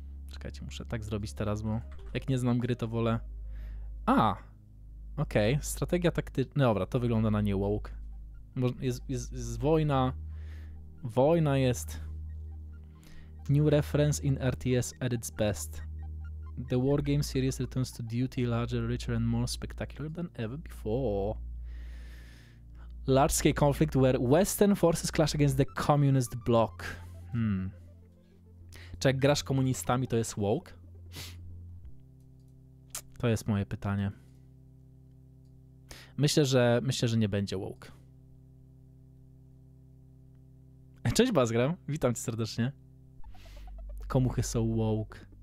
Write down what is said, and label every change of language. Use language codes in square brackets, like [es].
[pl] Czekajcie, muszę tak zrobić teraz, bo jak nie znam gry, to wolę... A! Okej, okay. Strategia taktyczna... Dobra, to wygląda na nie woke. Jest wojna. Wojna jest... [en] New reference in RTS at its best. The Wargame series returns to duty larger, richer and more spectacular than ever before. Large scale conflict where Western forces clash against the communist bloc. [pl] Czy jak grasz komunistami, to jest woke? To jest moje pytanie. Myślę, że nie będzie woke. Cześć Bazgram, witam cię serdecznie. Komuchy są woke.